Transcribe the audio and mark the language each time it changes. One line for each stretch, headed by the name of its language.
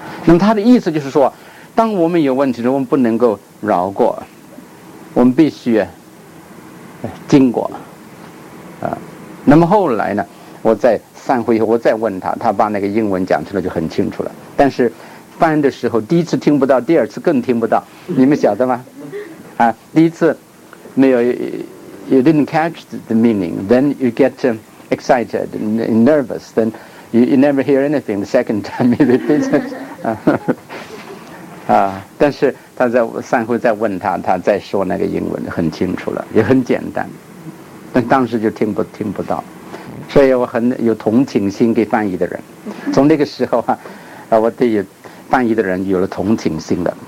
Chinese: 那么他的意思就是说，当我们有问题的时候，我们不能够绕过，我们必须经过啊。那么后来呢，我在散会以后，我再问他，他把那个英文讲出来就很清楚了。但是翻的时候，第一次听不到，第二次更听不到，你们晓得吗？啊，第一次没有
English: ，you didn't catch the meaning， then you get excited and nervous， then you never hear anything the second time you repeat it。
Chinese: 啊，但是他在散会再问他，他再说那个英文很清楚了，也很简单，但当时就听不到，所以我很有同情心给翻译的人。从那个时候啊，我对翻译的人有了同情心了。